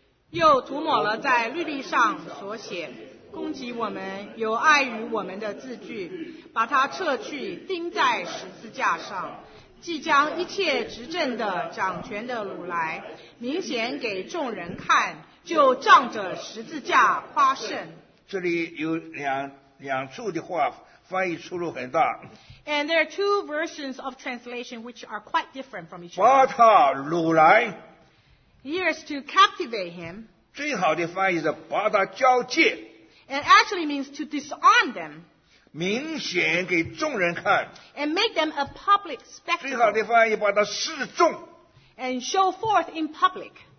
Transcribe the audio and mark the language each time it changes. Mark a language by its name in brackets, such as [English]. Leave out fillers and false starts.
[Chinese] 又涂抹了在律例上所写攻击我们有碍于我们的字句，把它撤去，钉在十字架上，即将一切执政的掌权的掳来，明显给众人看，就仗着十字架夸胜。这里有两处的话翻译出入很大。 [English] And there are two versions of translation which are quite different from each other. [Chinese] 把他掳来。 [English] Here is to captivate him. [Chinese] 最好的翻译是把他交界。 [English] And actually means to disarm them. [Chinese] 明显给众人看。 [English] And make them a public spectacle. [Chinese] 最好的翻译把他示众。 [English] And show forth in public.